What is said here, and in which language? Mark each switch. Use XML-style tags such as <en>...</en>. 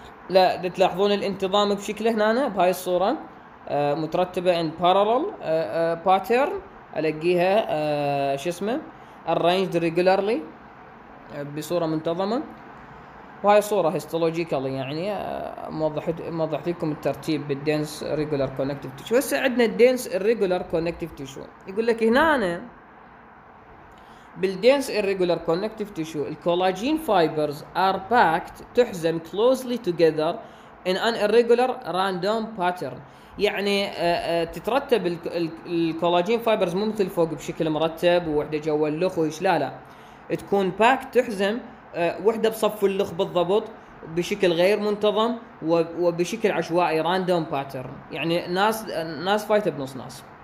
<ar>لا تلاحظون الانتظام بشكل هنا بهاي الصورة مترتبة</ar> <en>in parallel pattern،</en> <ar>ألاقيها شو اسمه</ar> <en>arranged regularly</en> <ar>بصورة منتظمة. وهاي صورة histologically يعني موضحت لكم الترتيب بالدنس regular connective tissue. هسه عندنا الدنس</ar> <en>irregular connective tissue،</en> <ar>يقول لك هنا أنا بالدنس</ar> <en>irregular connective tissue الكولاجين fibers are packed تحزم closely together in an irregular random pattern.</en> <ar>يعني تترتب الكولاجين فايبرز مو مثل فوق بشكل مرتب ووحده جوا اللخ وايش، لا لا تكون باك تحزم وحده بصف اللخ بالضبط بشكل غير منتظم وبشكل عشوائي راندوم باترن، يعني ناس فايته بنص ناس.</ar>